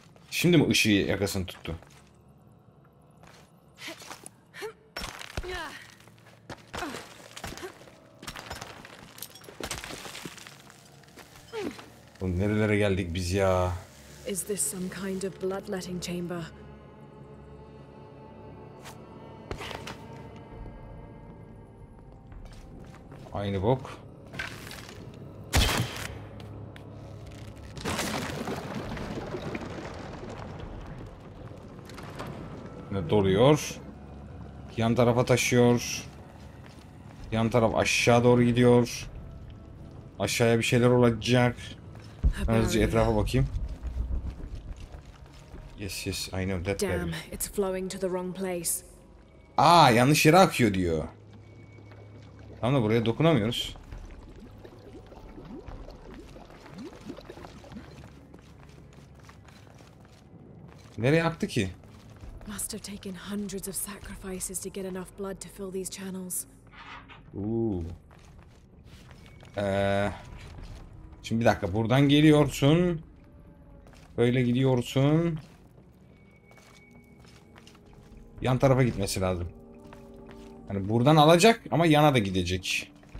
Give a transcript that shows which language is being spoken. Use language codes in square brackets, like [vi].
[tr] Şimdi mi ışığı yakasını tuttu? Bu nerelere geldik biz ya? [en] Is this some kind of bloodletting chamber? [tr] Aynı bok. Doluyor. Yan tarafa taşıyor. Yan taraf aşağı doğru gidiyor. Aşağıya bir şeyler olacak. Önce etrafa bakayım. [en] Yes yes, I know that. Damn, it's flowing to the wrong place. [tr] Aa, yanlış yere akıyor diyor. Tamam da buraya dokunamıyoruz. Nereye aktı ki? [en] Must have taken hundreds of sacrifices to get enough blood to fill these channels. Ooh. [tr] Şimdi bir dakika, buradan geliyorsun. Böyle gidiyorsun. Yan tarafa gitmesi lazım. Hani buradan alacak ama yana da gidecek.